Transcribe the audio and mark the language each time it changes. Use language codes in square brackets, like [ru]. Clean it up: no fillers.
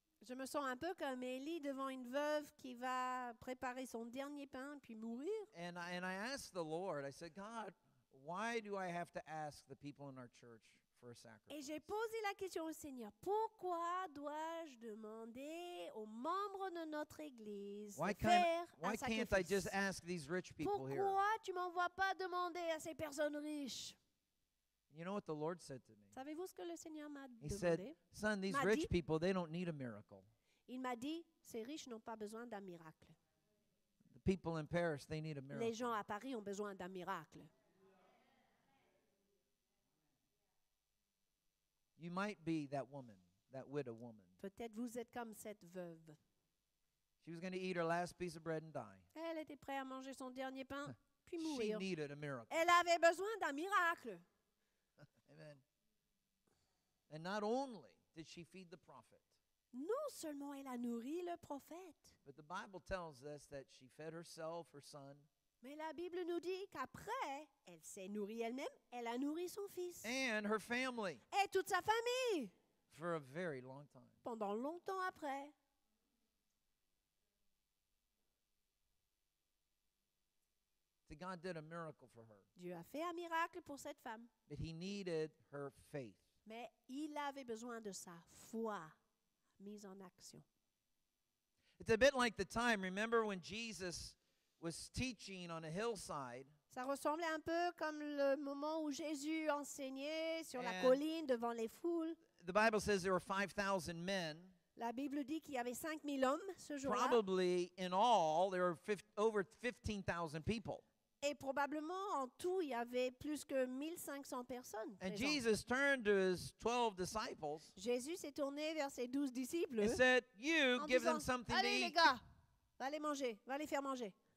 [fr] Je me sens un peu comme Élie devant une veuve qui va préparer son dernier pain puis mourir. [en] And I asked the Lord, I said, God, why do I have to ask the people in our church? [fr] Et j'ai posé la question au Seigneur, pourquoi dois-je demander aux membres de notre église [en] why [fr] de faire un sacrifice? [en] Why can't I just ask these rich people [fr] pourquoi [en] here? [fr] Pourquoi tu m'envoies pas demander à ces personnes riches? [en] You know what the Lord said to me? [fr] Savez-vous ce que le Seigneur m'a [en] He [fr] demandé? [en] Said, son, these [fr] m'a [en] rich people, they don't need a miracle. [fr] Il m'a dit, ces riches n'ont pas besoin d'un miracle. [en] The people in Paris, they need a miracle. [fr] Les gens à Paris ont besoin d'un miracle. [en] You might be that woman, that widow woman. [fr] Peut-être vous êtes comme cette veuve. [en] She was going to eat her last piece of bread and die. [fr] Elle était prête à manger son dernier pain puis mourir. [en] She needed a miracle. [fr] Elle avait besoin d'un miracle. [en] Amen. And not only did she feed the prophet. [fr] Non seulement elle a nourri le prophète. [en] But the Bible tells us that she fed herself, her son. [fr] Mais la Bible nous dit qu'après, elle s'est nourrie elle-même, elle a nourri son fils. [en] And her family. [fr] Et toute sa famille. [en] For a very long time. [fr] Pendant longtemps après. [en] So God did a miracle for her. [fr] Dieu a fait un miracle pour cette femme. [en] But he needed her faith. [fr] Mais il avait besoin de sa foi mise en action. [en] It's a bit like the time, remember when Jesus was teaching on a hillside. [fr] Ça ressemblait un peu comme le moment où Jésus enseignait sur la colline devant les foules. [en] The Bible says there were 5,000 men. [fr] La Bible dit qu'il y avait 5,000 hommes ce jour-là. [en] Probably in all, there were over 15,000 people. [fr] Et probablement en tout, il y avait plus que 1,500 personnes. [en] And Jesus turned to his 12 disciples. [fr] Jésus s'est tourné vers ses 12 disciples. [en] And said, "You give them something to eat." [fr] Allez les gars, va les manger, va les faire manger.